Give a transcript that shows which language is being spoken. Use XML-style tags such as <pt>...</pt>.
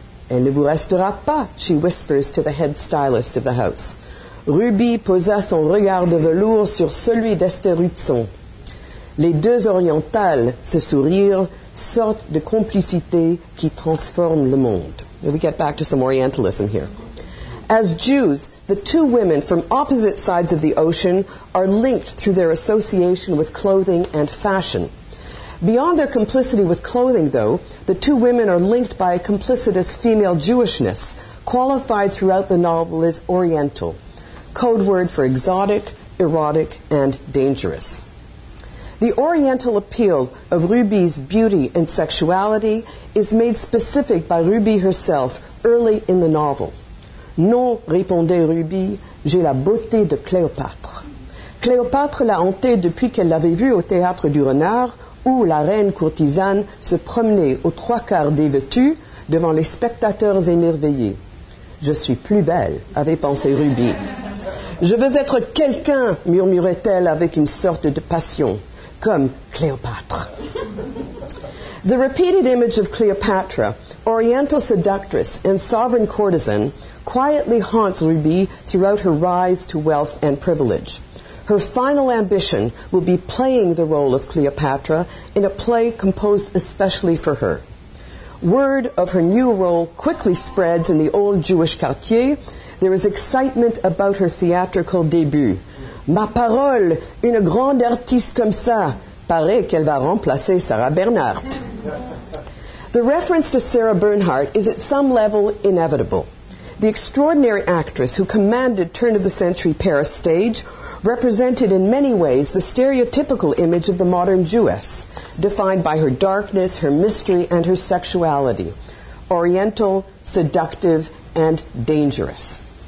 <fr>Elle ne vous restera pas,</fr> <en>she whispers to the head stylist of the house.</en> <fr>Ruby posa son regard de velours sur celui d'Esther Ruthson. Les deux orientales se sourirent, sorte de complicité qui transforme le monde.</fr> <en>And we get back to some Orientalism here. As Jews, the two women from opposite sides of the ocean are linked through their association with clothing and fashion. Beyond their complicity with clothing, though, the two women are linked by a complicitous female Jewishness, qualified throughout the novel as Oriental. Code word for exotic, erotic, and dangerous. The Oriental appeal of Ruby's beauty and sexuality is made specific by Ruby herself early in the novel.</en> <fr>Non, répondait Ruby, j'ai la beauté de Cléopâtre. Cléopâtre l'a hantée depuis qu'elle l'avait vue au théâtre du Renard, où la reine courtisane se promenait aux trois quarts dévêtue devant les spectateurs émerveillés. « Je suis plus belle », avait pensé Ruby. « Je veux être quelqu'un », murmurait-elle avec une sorte de passion, « comme Cléopâtre ».</fr> <en>The repeated image of Cleopatra, oriental seductress and sovereign courtesan, quietly haunts Ruby throughout her rise to wealth and privilege. Her final ambition will be playing the role of Cleopatra in a play composed especially for her. Word of her new role quickly spreads in the old Jewish quartier. There is excitement about her theatrical debut.</en> <fr>Ma parole, une grande artiste comme ça, paraît qu'elle va remplacer Sarah Bernhardt.</fr> <en>The reference to Sarah Bernhardt is at some level inevitable. The extraordinary actress who commanded turn-of-the-century Paris stage represented in many ways the stereotypical image of the modern Jewess, defined by her darkness, her mystery, and her sexuality, oriental, seductive, and dangerous.</en>